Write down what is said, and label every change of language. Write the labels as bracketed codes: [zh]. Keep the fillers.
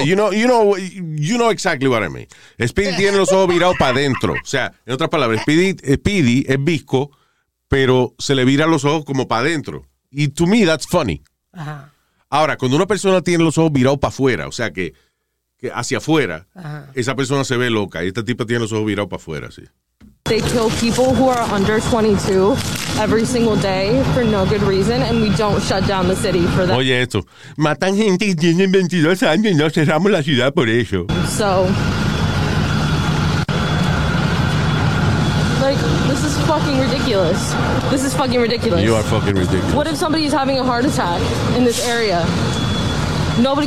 [en] You know, you know, you, know, exactly what I mean. [es] Speedy tiene los ojos virados para adentro. O sea, en otras palabras, Speedy, Speedy, es visco, pero se le vira los ojos como para adentro. Y [en] to me, that's funny. [es] Ajá. Ahora, cuando una persona tiene los ojos virados para afuera, o sea, que, que hacia afuera, Ajá. esa persona se ve loca. Y este tipo tiene los ojos virados para afuera, sí. [en] they kill people who are under 22 every single day for no good reason, and we don't shut down the city for that. [es] Oye, eso. Matan gente que tienen 22 años y no cerramos la ciudad por eso. [en] So. Like, this is fucking ridiculous this is fucking ridiculous you are fucking ridiculous what if somebody is having a heart attack in this area nobody